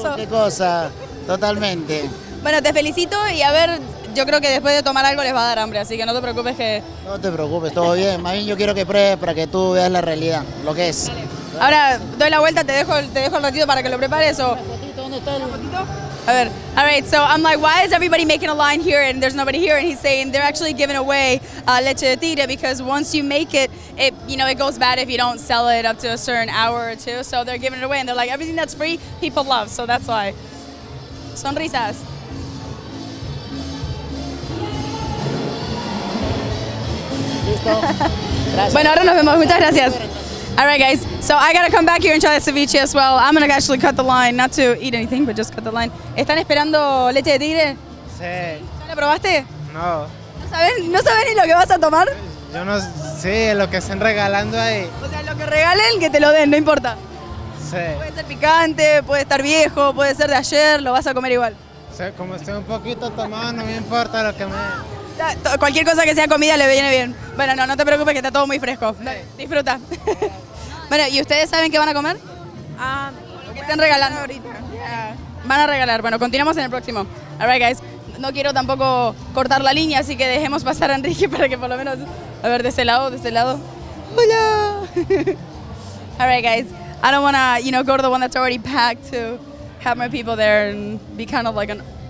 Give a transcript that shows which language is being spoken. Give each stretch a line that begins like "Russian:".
Spanish: Eres tú, qué cosa, totalmente. Bueno, te felicito y a ver, yo creo que después de tomar algo les va a dar hambre, así que no te preocupes que... No te preocupes, todo bien, más bien yo quiero que pruebes para que tú veas la realidad, lo que es. Vale. Ahora, doy la vuelta, te dejo el ratito para que lo prepares o... ¿Dónde está el ratito? A ver,
English: all right, so I'm like, why is everybody making a line here and there's nobody here? And he's saying they're actually giving away leche de tigre because once you make it, it goes bad if you don't sell it up to a certain hour or two. So they're giving it away and they're like, everything that's free, people love. So that's why. Sonrisas.
Spanish: Bueno, ahora nos vemos. Muchas gracias.
English: All right, guys. So I gotta come back here and try the ceviche as well. I'm gonna actually cut the line, not to eat anything, but just cut the line.
Spanish: ¿Están esperando leche de tigre? Sí. ¿Ya la probaste? No. ¿No sabes ni lo que vas a tomar? Yo no sé, sí, lo que estén regalando ahí. O sea, lo que regalen, que te lo den, no importa. Sí. Puede ser picante, puede estar viejo, puede ser de ayer, lo vas a comer igual. Sí, como estoy un poquito tomado, no me importa lo que me... Cualquier cosa que sea comida le viene bien. Bueno, no te preocupes que está todo muy fresco. Sí. Disfruta. Bueno, ¿y ustedes saben qué van a comer? Lo que están regalando ahorita. Yeah. Van a regalar. Bueno, continuamos en el próximo.
English: All right, guys.
Spanish: No quiero tampoco cortar la línea, así que dejemos pasar a Enrique para que por lo menos... A ver, de ese lado. ¡Hola!
English: All right, guys. I don't want to, you know, go to the one that's already packed to have my people there and be kind of like an...